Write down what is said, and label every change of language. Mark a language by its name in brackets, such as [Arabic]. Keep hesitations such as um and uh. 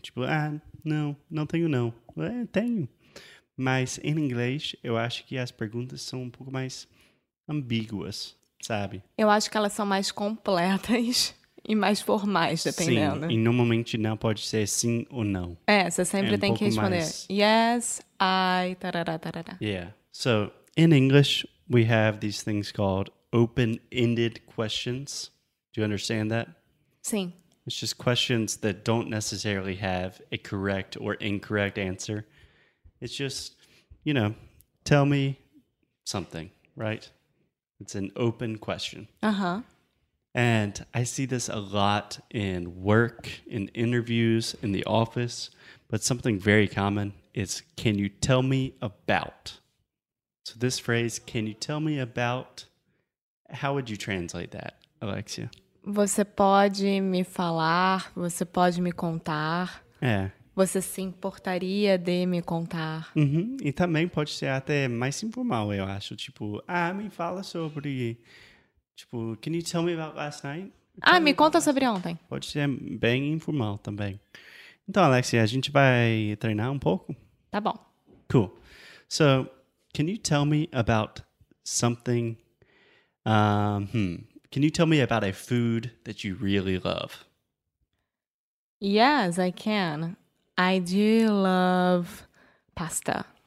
[Portuguese] Tipo, ah, não, não tenho, não. É, tenho. Mas em inglês, eu acho que as perguntas são um pouco mais ambíguas, sabe? Eu acho que elas são mais completas. e mais formais, dependendo. Sim, ela, e normalmente não pode ser sim ou não. É, você so sempre é tem um que responder. [English] Yes, I, tarará, Yeah. So, in English, we have these things called open-ended questions. Do you understand that? [Portuguese] Sim. [English] It's just questions that don't necessarily have a correct or incorrect answer. It's just, you know, tell me something, right? It's an open question. Uh-huh. And I see this a lot in work, in interviews, in the office, but something very common is can you tell me about? So, this phrase, can you tell me about? How would you translate that, Alexia? [Portuguese] Você pode me falar? Você pode me contar? É. Você se importaria de me contar? Uh -huh. E também pode ser até mais informal, eu acho. Tipo, ah, me fala sobre [English] can you tell me about last night? [Portuguese] Ah, tell ah, me, me conta sobre night. Last... ontem. Pode ser bem informal também. Então, Alexia, a gente vai treinar um pouco? Tá bom. Cool. [English] So, can you tell me about something? Um, hmm, can you tell me about a food that you really love? Yes, I can. I do love pasta.